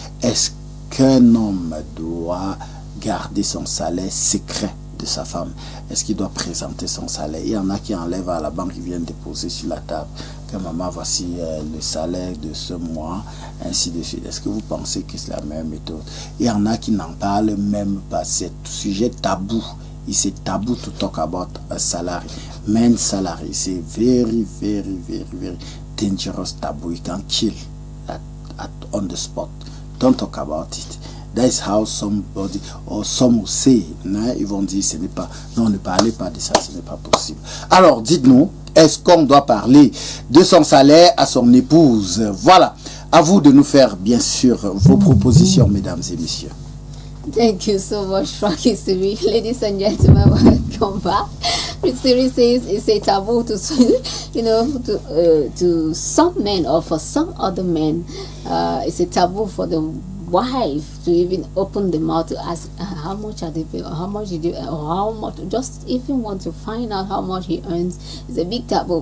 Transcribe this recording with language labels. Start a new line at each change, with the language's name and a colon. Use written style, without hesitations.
French: Est-ce qu'un homme doit garder son salaire secret de sa femme? Est-ce qu'il doit présenter son salaire? Il y en a qui enlèvent à la banque, qui viennent déposer sur la table que maman, voici le salaire de ce mois, ainsi de suite. Est-ce que vous pensez que c'est la même méthode? Il y en a qui n'en parlent même pas. C'est un sujet tabou.
English: It's a taboo to talk about a salary. Men's salary is a very, very, very, very dangerous taboo. It can kill at on the spot. Don't talk about it. That is how somebody or some will say,
French: non, ils vont dire, ce n'est pas, non, ne parlez pas de ça, ce n'est pas possible. Alors, dites-nous, est-ce qu'on doit parler de son salaire à son épouse? Voilà. À vous de nous faire, bien sûr, vos propositions, mesdames et messieurs.
English: Thank you so much, Frankie Siri. Ladies and gentlemen, welcome back. Siri says it's a taboo to, you know, to some men or for some other men, it's a taboo for the wife to even open the mouth to ask how much are they paying, how much did you, or how much, just even want to find out how much he earns is a big taboo.